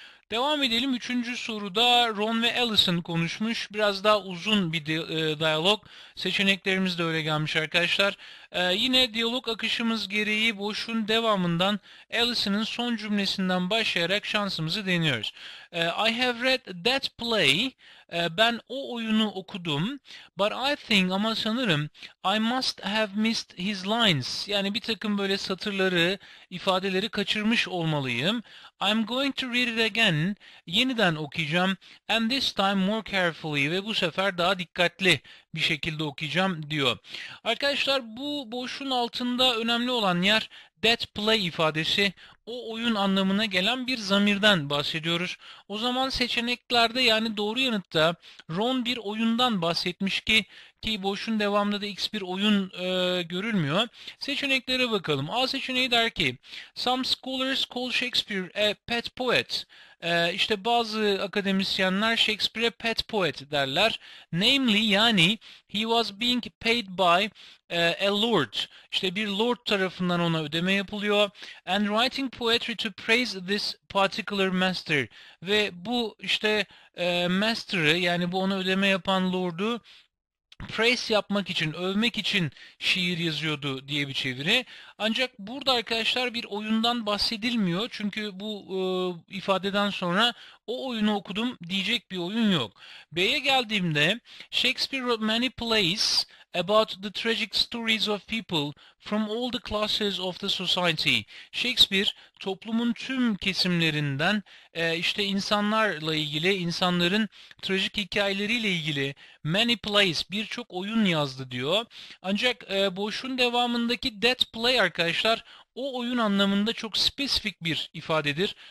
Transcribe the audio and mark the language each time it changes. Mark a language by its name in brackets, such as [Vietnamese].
[Turkish] Devam edelim. Üçüncü soruda Ron ve Allison konuşmuş. Biraz daha uzun bir diyalog. Seçeneklerimiz de öyle gelmiş arkadaşlar. Yine diyalog akışımız gereği boşluğun devamından Allison'ın son cümlesinden başlayarak şansımızı deniyoruz. [English] I have read that play. [Turkish] Ben o oyunu okudum. [English] But I think, [Turkish] ama sanırım, [English] I must have missed his lines. [Turkish] Yani bir takım böyle satırları, ifadeleri kaçırmış olmalıyım. [English] I'm going to read it again. [Turkish] Yeniden okuyacağım. [English] And this time more carefully. [Turkish] Ve bu sefer daha dikkatli bir şekilde okuyacağım diyor. Arkadaşlar, bu boşluğun altında önemli olan yer that play ifadesi. O oyun anlamına gelen bir zamirden bahsediyoruz. O zaman seçeneklerde, yani doğru yanıtta Ron bir oyundan bahsetmiş ki boşun devamında da X bir oyun görülmüyor. Seçeneklere bakalım. A seçeneği der ki, [English] Some scholars call Shakespeare a pet poet. [Turkish] İşte bazı akademisyenler Shakespeare'e pet poet derler. [English] Namely, yani he was being paid by a lord. [Turkish] İşte bir lord tarafından ona ödeme yapılıyor. [English] And writing poetry to praise this particular master. [Turkish] Ve bu işte master'ı, yani bu ona ödeme yapan lordu praise yapmak için, övmek için şiir yazıyordu diye bir çeviri. Ancak burada arkadaşlar bir oyundan bahsedilmiyor. Çünkü bu ifadeden sonra o oyunu okudum diyecek bir oyun yok. B'ye geldiğimde, [English] Shakespeare wrote many plays about the tragic stories of people from all the classes of the society. [Turkish] Shakespeare toplumun tüm kesimlerinden işte insanlarla ilgili, insanların trajik hikayeleriyle ilgili [English] many plays, [Turkish] birçok oyun yazdı diyor. Ancak boşun devamındaki that play arkadaşlar o oyun anlamında çok spesifik bir ifadedir.